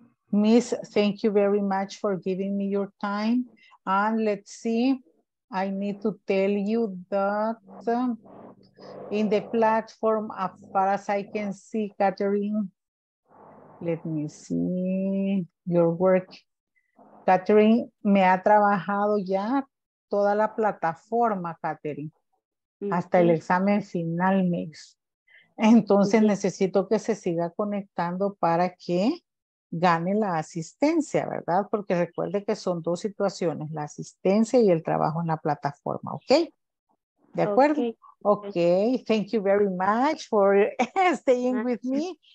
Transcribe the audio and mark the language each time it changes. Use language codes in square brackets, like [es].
[en] Miss, thank you very much for giving me your time. And let's see. I need to tell you that in the platform, as far as I can see, Catherine, let me see your work. [es] Catherine, me ha trabajado ya toda la plataforma, Catherine, hasta el examen final, Miss. Entonces, necesito que se siga conectando para que gane la asistencia, ¿verdad? Porque recuerde que son dos situaciones, la asistencia y el trabajo en la plataforma, ¿ok? ¿De acuerdo? Okay. [en] Thank you very much for staying with me.